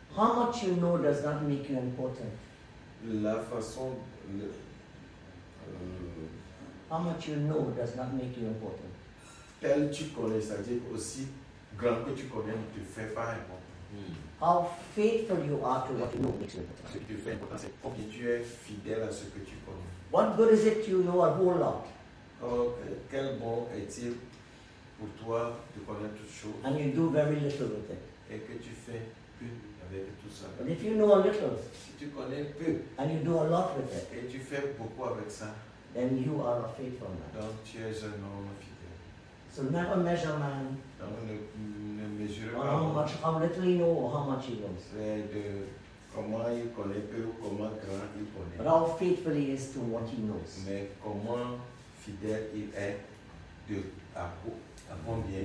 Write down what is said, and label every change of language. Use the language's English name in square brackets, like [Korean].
[English] How much you know does not make you important. [French] La façon. [English] How much you know does not make you important. [French] Tel tu connais, c'est-à-dire aussi grand que tu connais, tu fais pas important. [English] How faithful you are to what you know makes you important. [French] Ce que tu fais important, c'est combien tu es fidèle à ce que tu connais. [English] What good is it you know a whole lot? [French] Quel bon est-il pour toi de connaître toutes choses? [English] And you do very little with it. [French] Et que tu fais peu. [English] But if you know a little, [French] si tu connais peu, [English] and you do a lot with it, [French] et tu fais beaucoup avec ça, [English] then you are a faithful man. [French] Donc tu es un homme fidèle. [English] So never measure man. [French] Donc ne mesure pas. [English] much, how little he knows or how much he knows. [French] Comment il connaît peu, comment grand il connaît. [English] But how faithful he is to what he knows. [French] Mais comment fidèle il est de à combien.